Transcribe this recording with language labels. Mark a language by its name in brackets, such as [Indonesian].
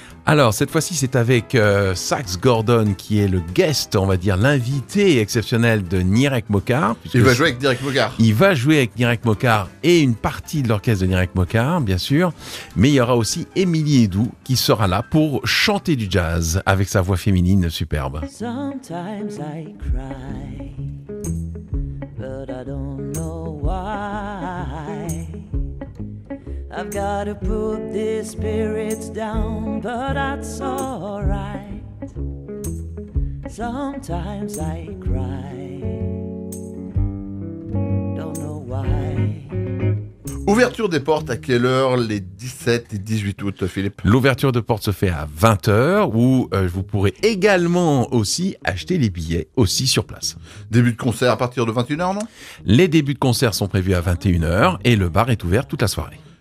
[French] Alors, cette fois-ci, c'est avec Sax Gordon qui est le guest, on va dire l'invité exceptionnel de Nirek Bocard. Il va jouer avec Nirek Bocard. Il va jouer avec Nirek Bocard et une partie de l'orchestre de Nirek Bocard, bien sûr. Mais il y aura aussi Émilie Edoux qui sera là pour chanter du jazz avec sa voix féminine superbe. [English] Sometimes I cry, but I don't know why. I've gotta put these spirits down, but that's alright. Sometimes I cry, don't know why. [French] Ouverture des portes à quelle heure les 17 et 18 août, Philippe? L'ouverture de portes se fait à 20h où vous pourrez également aussi acheter les billets aussi sur place. Début de concert à partir de 21h, non? Les débuts de concert sont prévus à 21h et le bar est ouvert toute la soirée.